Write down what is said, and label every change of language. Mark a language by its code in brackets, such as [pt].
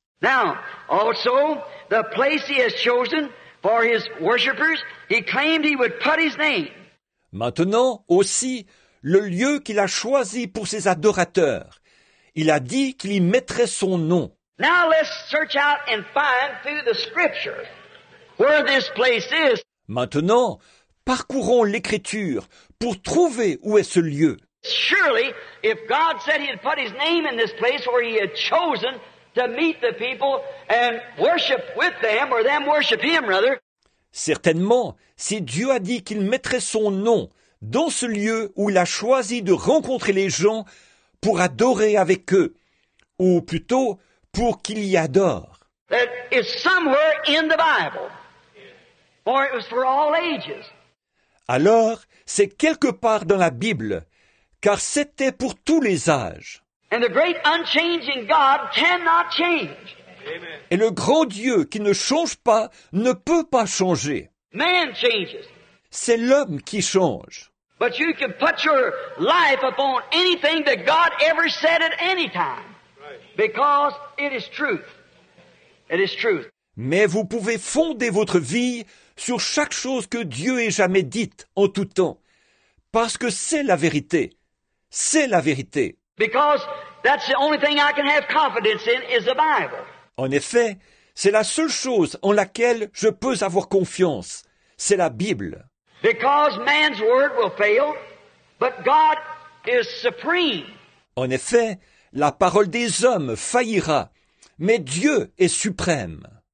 [en] Now, also, the place he has chosen for his worshipers, he claimed he would put his name. [fr] Maintenant, aussi, le lieu qu'il a choisi pour ses adorateurs, il a dit qu'il y mettrait son nom. [en] Now let's search out and find through the scripture where this place is. [fr] Maintenant, parcourons l'écriture pour trouver où est ce lieu. [en] Surely, if God said he had put his name in this place where he had chosen to meet the people and worship with them, or them worship him, rather. [fr] Certainement, si Dieu a dit qu'il mettrait son nom dans ce lieu où il a choisi de rencontrer les gens pour adorer avec eux, ou plutôt pour qu'il y adore. [en] That is somewhere in the Bible. For it was for all ages. [fr] Alors, c'est quelque part dans la Bible, car c'était pour tous les âges. [en] And the great unchanging God cannot change. Amen. [fr] Et le grand Dieu qui ne change pas ne peut pas changer. [en] Man changes. [fr] C'est l'homme qui change. [en] But you can put your life upon anything that God ever said at any time. Because it is truth. It is truth. [fr] Mais vous pouvez fonder votre vie sur chaque chose que Dieu ait jamais dite en tout temps. Parce que c'est la vérité. C'est la vérité. [en] Because that's the only thing I can have confidence in is the Bible. [fr] En effet, c'est la seule chose en laquelle je peux avoir confiance, c'est la Bible. [en] Because man's word will fail, but God is supreme. [fr] En effet, la parole des hommes faillira, mais Dieu est suprême.